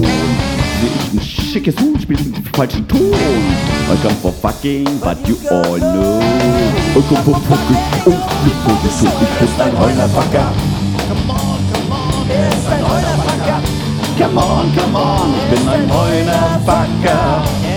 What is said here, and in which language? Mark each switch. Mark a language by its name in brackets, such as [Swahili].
[German] Sehe ich ein schickes Huhn, spiel ich einen falschen Ton. [English] I come for fucking, but you all know. I come for fucking, oh, you all know. [German] Ich bin ein Hoinerfakkass. [English] Come on, come on, [German] er ist ein [English] Hoinerfakkass. Come on, come on, [German] ich bin ein [English] Hoinerfakkass.